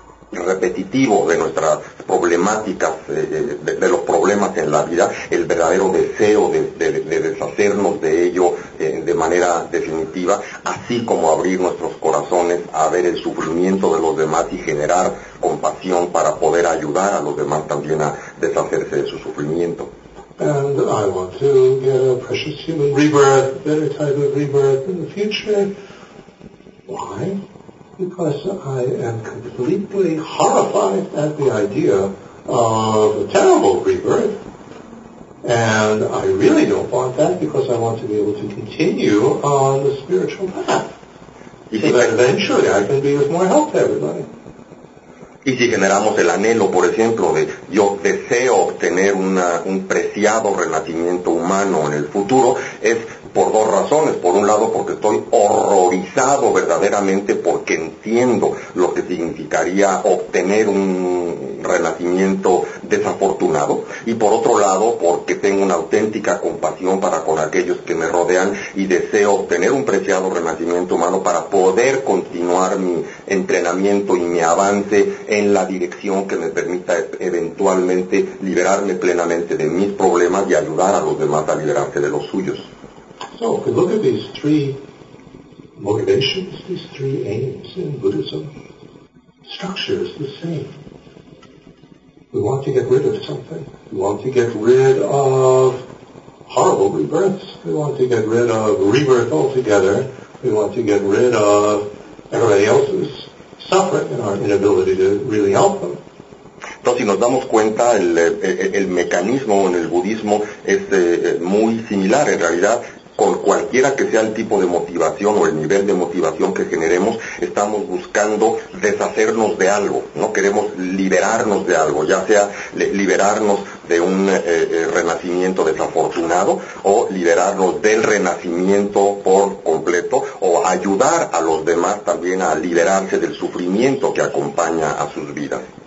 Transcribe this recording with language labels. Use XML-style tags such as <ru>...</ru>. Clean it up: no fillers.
<es>repetitivo de nuestras problemáticas, de los problemas en la vida, el verdadero deseo de deshacernos de ello de manera definitiva, así como abrir nuestros corazones a ver el sufrimiento de los demás y generar compasión para poder ayudar a los demás también a deshacerse de su sufrimiento.</es> <en>And I want to get a precious human rebirth, better type of rebirth in the future. Why? Because I am completely horrified at the idea of a terrible rebirth. And I really don't want that because I want to be able to continue on the spiritual path. So that eventually I can be of more help to everybody.</en> <es>Y si generamos el anhelo, por ejemplo, de yo deseo obtener un preciado renacimiento humano en el futuro, es por dos razones. Por un lado, porque estoy horrorizado verdaderamente porque entiendo lo que significaría obtener un renacimiento desafortunado. Y por otro lado, porque tengo una auténtica compasión para con aquellos que me rodean y deseo obtener un preciado renacimiento humano para poder continuar mi entrenamiento y mi avance en la dirección que me permita eventualmente liberarme plenamente de mis problemas y ayudar a los demás a liberarse de los suyos.</es> <en>So, if we look at these three motivations, these three aims in Buddhism, structure is the same. We want to get rid of something. We want to get rid of horrible rebirths. We want to get rid of rebirth altogether. We want to get rid of everybody else's suffering and our inability to really help them.</en> <es>Entonces, si nos damos cuenta, el mecanismo en el budismo es muy similar. En realidad, con cualquiera que sea el tipo de motivación o el nivel de motivación que generemos, estamos buscando deshacernos de algo, ¿no? Queremos liberarnos de algo, ya sea liberarnos de un renacimiento desafortunado o liberarnos del renacimiento por completo o ayudar a los demás también a liberarse del sufrimiento que acompaña a sus vidas.</es>